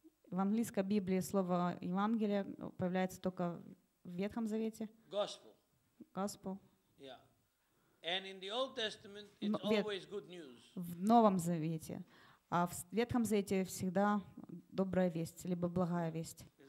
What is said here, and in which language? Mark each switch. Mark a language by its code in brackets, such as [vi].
[ru] В английской Библии слово «евангелие» появляется только в Ветхом Завете. [en] Gospel. Gospel. Yeah. And in the Old Testament, it's always good news. [ru] В Новом Завете. А в Ветхом Завете всегда добрая весть, либо благая весть.